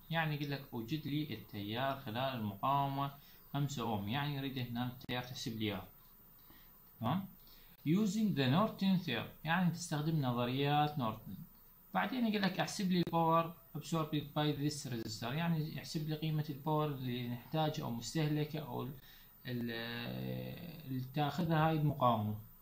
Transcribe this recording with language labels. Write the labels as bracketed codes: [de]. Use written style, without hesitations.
[ar] يعني يقول لك اوجد لي التيار خلال المقاومة 5 ohm. يعني يريد هنا التيار تحسب لي اياه. تمام؟ [en] Using the Norton theorem. [ar] يعني تستخدم نظريات نورتون. بعدين يقول لك احسب لي الباور [en] absorbed by this resistor. [ar] يعني يحسب لي قيمة الباور اللي نحتاجها او مستهلكة او اللي تاخذها هاي المقاومة.